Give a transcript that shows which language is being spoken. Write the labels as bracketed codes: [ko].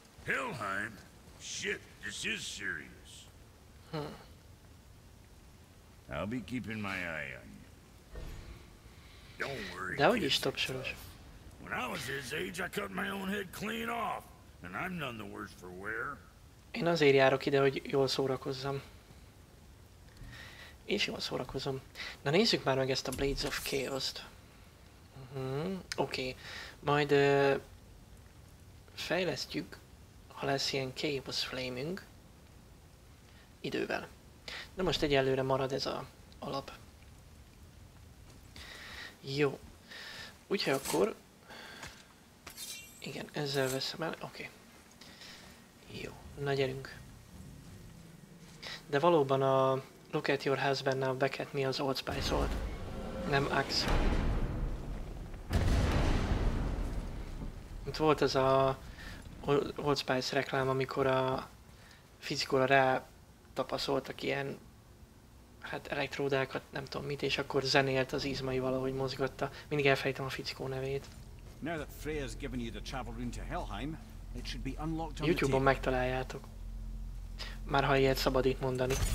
[en] Helheim? Shit, this is serious. Huh. I'll be keeping my eye on you. Don't worry. That would stop Shirosh. When I was his age, I cut my own head clean off. And I'm none the worse for wear. [hu] Én azért járok ide, hogy jól szórakozzam. És jól szórakozom. Na nézzük már meg ezt a Blades of Chaos-t. Oké. Majd fejlesztjük, ha lesz ilyen Chaos Flaming idővel. De most egyelőre marad ez a alap. Jó. Úgyhogy akkor... igen, ezzel veszem el. Oké. Jó, na gyerünk. De valóban a [en] Look at your husband now back at me [hu] az Old Spice volt. Nem Axe. Itt volt az a Old Spice reklám, amikor a fizikóra rá tapaszoltak ilyen hát elektródákat, nem tudom mit, és akkor zenélt az izmai valahogy mozgatta. Mindig elfelejtem a fizikó nevét. [en] Now that Freya's given you the travel room to Helheim, it should be unlocked on the table. [hu] YouTube-on megtaláljátok. Már ha ilyet szabad itt mondani.